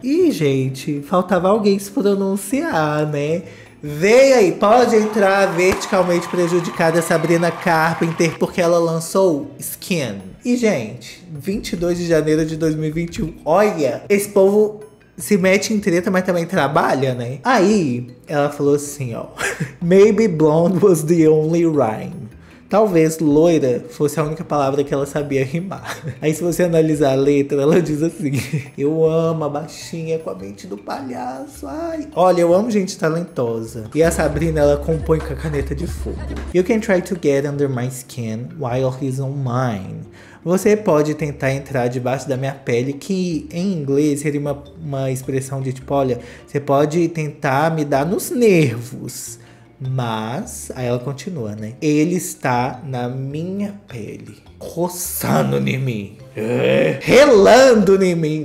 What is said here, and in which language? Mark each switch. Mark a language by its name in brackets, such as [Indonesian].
[Portuguese] E, gente, faltava alguém se pronunciar, né? Vem aí, pode entrar verticalmente prejudicada Sabrina Carpenter, porque ela lançou Skin. E, gente, 22 de janeiro de 2021, olha, esse povo se mete em treta, mas também trabalha, né? Aí, ela falou assim, ó, [English] maybe blonde was the only rhyme. [Portuguese] Talvez loira fosse a única palavra que ela sabia rimar. Aí, se você analisar a letra, ela diz assim: eu amo a baixinha com a mente do palhaço. Ai, olha, eu amo gente talentosa. E a Sabrina, ela compõe com a caneta de fogo. [English] You can try to get under my skin while he's on mine. [Portuguese] Você pode tentar entrar debaixo da minha pele, que em inglês seria uma expressão de tipo, olha, você pode tentar me dar nos nervos. Mas, aí ela continua, né? Ele está na minha pele, roçando em mim, relando em mim.